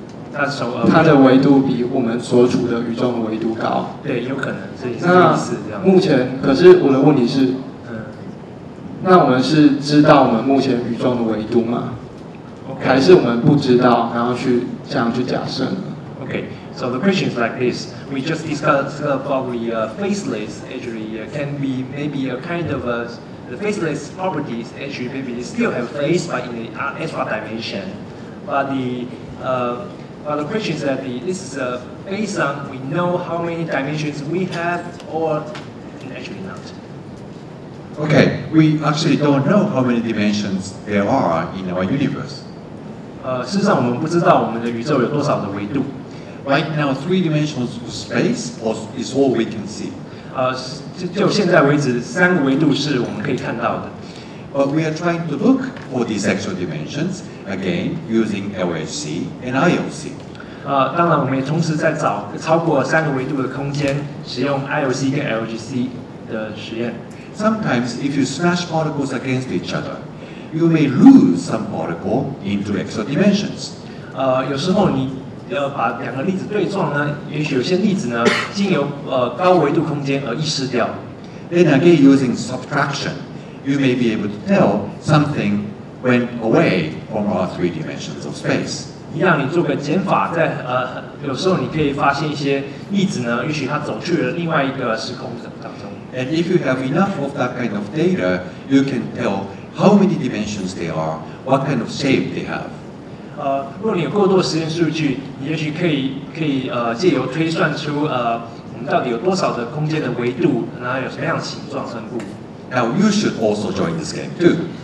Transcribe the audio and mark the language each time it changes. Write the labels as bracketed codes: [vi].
[zh] 它的维度比我们所处的宇宙的维度高，对，有可能是这意思。这样，目前可是我的问题是，那我们是知道我们目前宇宙的维度吗？ [en] Okay. [zh] 还是我们不知道，然后去这样去假设呢？ [en] Okay, so the question is like this: we just discussed probably a faceless actually can be maybe a kind of a the faceless properties actually maybe still have face but in the extra dimension, but the But the question is that this is based on we know how many dimensions we have or actually not. Okay, we actually don't know how many dimensions there are in our universe. [zh] 事实上我们不知道我们的宇宙有多少的维度。 [en] Right now, three dimensions of space is all we can see. [zh] 就现在为止三个维度是我们可以看到的。 [en] But we are trying to look for these extra dimensions again using LHC and IOC. [zh] 当然，我们也同时在找超过三个维度的空间，使用 IOC 跟 LHC 的实验。 [en] Sometimes, if you smash particles against each other, you may lose some particle into extra dimensions. [zh] 有时候你把两个粒子对撞呢，也许有些粒子呢，经由高维度空间而遗失掉。 [en] Then again, using subtraction. You may be able to tell something went away from our three dimensions of space. [zh] 一样，你做个减法，在有时候你可以发现一些粒子呢，也许它走去了另外一个时空当中。 [en] And if you have enough of that kind of data, you can tell how many dimensions they are, what kind of shape they have. [zh] 如果你有过多实验数据，你也许可以借由推算出我们到底有多少的空间的维度，然后有什么样的形状分布。 [en] Now you should also join this game too.